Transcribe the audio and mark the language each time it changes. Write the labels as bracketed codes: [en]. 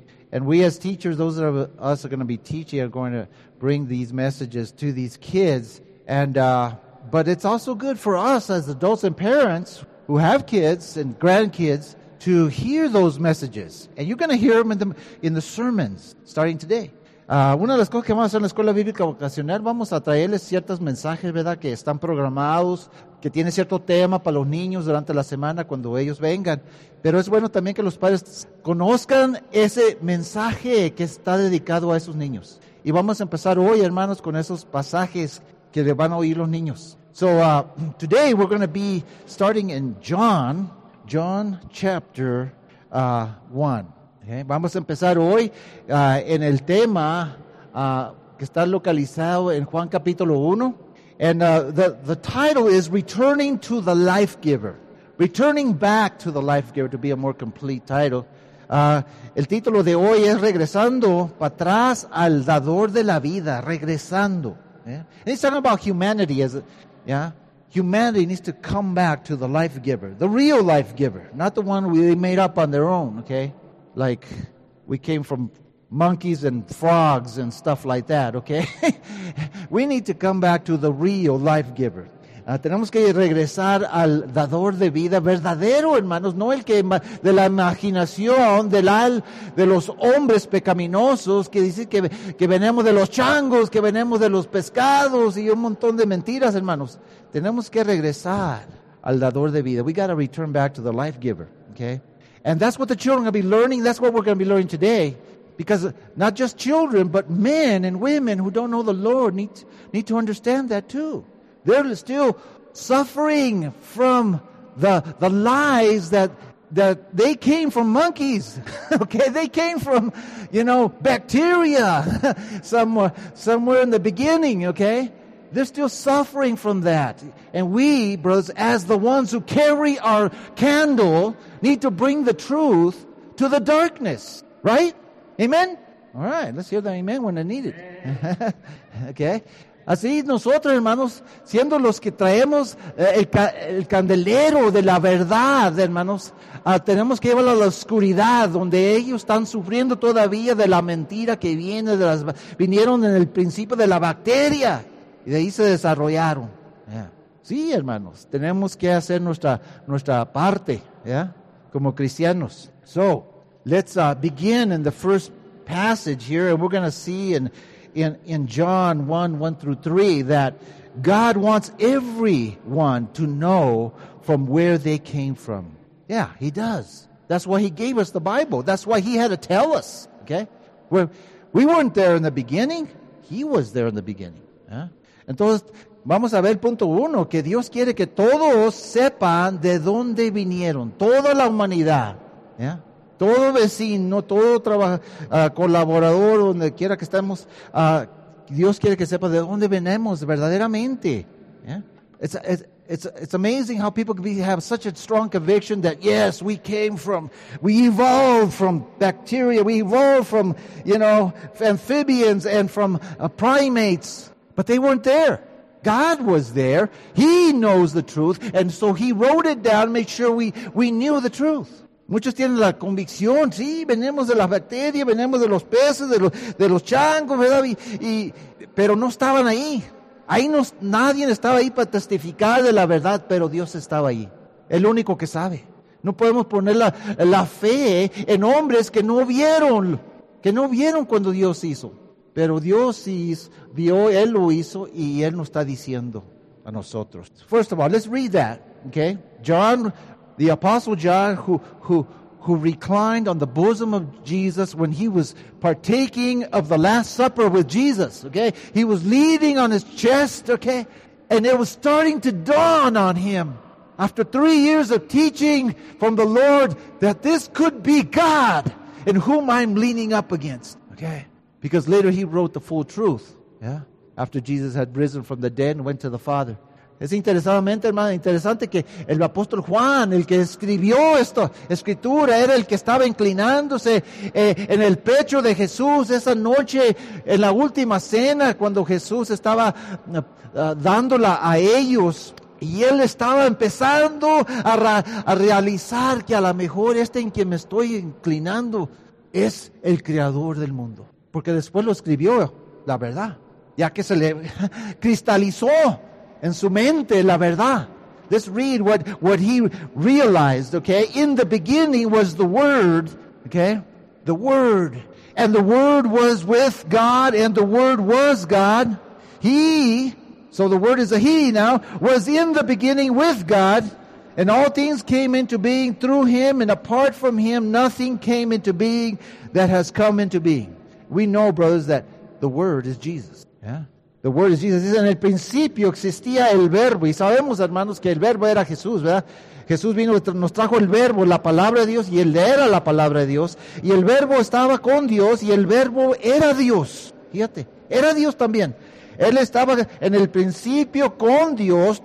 [en] And we as teachers, those of us are going to be teaching, are going to bring these messages to these kids. But it's also good for us as adults and parents who have kids and grandkids to hear those messages. And you're going to hear them in the sermons starting today. [es] Una de las cosas que vamos a hacer en la Escuela Bíblica Vocacional, vamos a traerles ciertos mensajes, ¿verdad?, que están programados, que tiene cierto tema para los niños durante la semana cuando ellos vengan. Pero es bueno también que los padres conozcan ese mensaje que está dedicado a esos niños. Y vamos a empezar hoy, hermanos, con esos pasajes que le van a oír los niños. [en] So, today we're going to be starting in John chapter 1. Okay. [es] Vamos a empezar hoy en el tema que está localizado en Juan capítulo 1. [en] And the title is Returning to the Life Giver. Returning back to the Life Giver, to be a more complete title. [es] El título de hoy es Regresando para atrás al Dador de la Vida. Regresando. [en] Yeah. And he's talking about humanity. Humanity needs to come back to the Life Giver. The real Life Giver. Not the one we made up on their own, okay? Like we came from monkeys and frogs and stuff like that, okay? We need to come back to the real life giver. [es] Tenemos que regresar al dador de vida verdadero, hermanos, no el que de la imaginación de los hombres pecaminosos que dice que venemos de los changos, que venemos de los pescados y un montón de mentiras, hermanos. Tenemos que regresar al dador de vida. [en] We got to return back to the life giver, okay? And that's what the children are going to be learning. That's what we're going to be learning today. Because not just children, but men and women who don't know the Lord need to understand that too. They're still suffering from the lies that they came from monkeys. Okay, they came from, you know, bacteria somewhere in the beginning, okay? They're still suffering from that. And we, brothers, as the ones who carry our candle, need to bring the truth to the darkness. Right? Amen? All right, let's hear the amen when I need it. Okay. [es] Así nosotros, hermanos, siendo los que traemos el candelero de la verdad, hermanos, tenemos que llevarlo a la oscuridad donde ellos están sufriendo todavía de la mentira que viene, vinieron en el principio de la bacteria. Y de ahí se desarrollaron. [en] Yeah. [es] Sí, hermanos, tenemos que hacer nuestra parte, yeah, como cristianos. [en] So, let's begin in the first passage here, and we're going to see in John 1:1-3 that God wants everyone to know from where they came from. Yeah, he does. That's why he gave us the Bible. That's why he had to tell us, okay? We weren't there in the beginning. He was there in the beginning, yeah? [es] Entonces, vamos a ver punto uno, que Dios quiere que todos sepan de dónde vinieron, toda la humanidad, ¿ya? Todo vecino, todo colaborador, donde quiera que estemos, Dios quiere que sepa de dónde venimos verdaderamente, ¿ya? [en] It's amazing how people have such a strong conviction that, yes, we evolved from bacteria, we evolved from, you know, amphibians and from primates. But they weren't there. God was there. He knows the truth. And so he wrote it down, made sure we knew the truth. [es] Muchos tienen la convicción, sí, venimos de las bacterias, venimos de los peces, de los changos, ¿verdad? Pero no estaban ahí. Nadie estaba ahí para testificar de la verdad, pero Dios estaba ahí. El único que sabe. No podemos poner la fe en hombres que no vieron cuando Dios hizo. Pero Dios vio, Él lo hizo, y Él nos está diciendo a nosotros. [en] First of all, let's read that, okay? John, the Apostle John, who reclined on the bosom of Jesus when he was partaking of the Last Supper with Jesus, okay? He was leaning on his chest, okay? And it was starting to dawn on him after 3 years of teaching from the Lord that this could be God in whom I'm leaning up against, okay? Because later he wrote the full truth, yeah? After Jesus had risen from the dead and went to the Father. [es] Es interesantemente, hermano, interesante que el apóstol Juan, el que escribió esta escritura, era el que estaba inclinándose en el pecho de Jesús esa noche en la última cena cuando Jesús estaba dándola a ellos. Y él estaba empezando a realizar que a lo mejor este en quien me estoy inclinando es el creador del mundo. Porque después lo escribió, la verdad, ya que se le cristalizó en su mente la verdad. [en] Let's read what he realized, okay? In the beginning was the Word, okay? The Word. And the Word was with God, and the Word was God. He, so the Word is a He now, was in the beginning with God, and all things came into being through Him, and apart from Him, nothing came into being that has come into being. We know, brothers, that the Word is Jesus, yeah? The Word is Jesus. [es] Dice, en el principio existía el Verbo. Y sabemos, hermanos, que el Verbo era Jesús, ¿verdad? Jesús vino, nos trajo el Verbo, la Palabra de Dios, y Él era la Palabra de Dios. Y el Verbo estaba con Dios, y el Verbo era Dios. Fíjate, era Dios también. Él estaba en el principio con Dios.